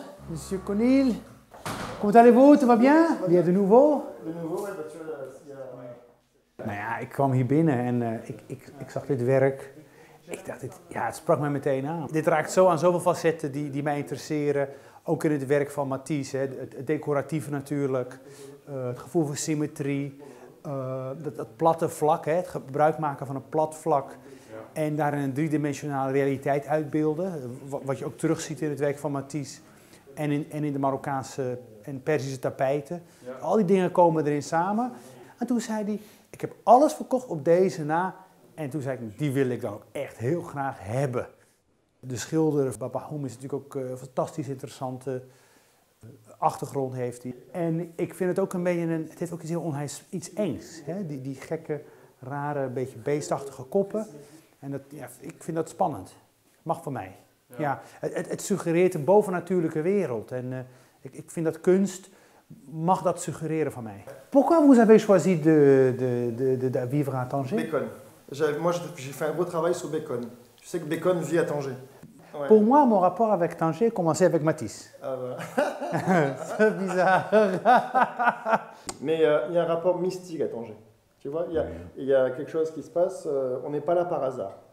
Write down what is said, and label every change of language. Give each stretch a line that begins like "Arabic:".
French: Monsieur Conil, comment allez-vous? Tout va bien? Bien de nouveau? De nouveau,
Dutch: ja. Nou ja, ik kwam hier binnen en ik zag dit werk. Ik dacht, het sprak mij meteen aan. Dit raakt zo aan zoveel facetten die mij interesseren. Ook in het werk van Matisse, het decoratieve natuurlijk. Het gevoel van symmetrie. Dat platte vlak, het gebruik maken van een plat vlak. En daar een driedimensionale realiteit uitbeelden. Wat je ook terugziet in het werk van Matisse. En in de Marokkaanse en Persische tapijten. Ja. Al die dingen komen erin samen. En toen zei hij, ik heb alles verkocht op deze na. En toen zei ik, die wil ik dan ook echt heel graag hebben. De schilder Babahoum is natuurlijk ook fantastisch interessante achtergrond heeft hij. En ik vind het ook een beetje het heeft ook iets heel iets engs. Hè? Die gekke, rare, beetje beestachtige koppen. En dat, ja, ik vind dat spannend. Mag voor mij. Ja. Ja, het suggereert een bovennatuurlijke wereld. En ik vind dat kunst mag dat suggereren van mij.
French: Pourquoi vous avez choisi de vivre à Tanger? Bacon. J'ai fait un beau travail sur Bacon. Je sais que Bacon vit à Tanger. Ouais. Pour moi, mon rapport avec Tanger a commencé avec Matisse. Ah ouais. C'est bizarre. Mais il y a un rapport mystique à Tanger. Tu vois, il y a quelque chose qui se passe. On n'est pas là par hasard.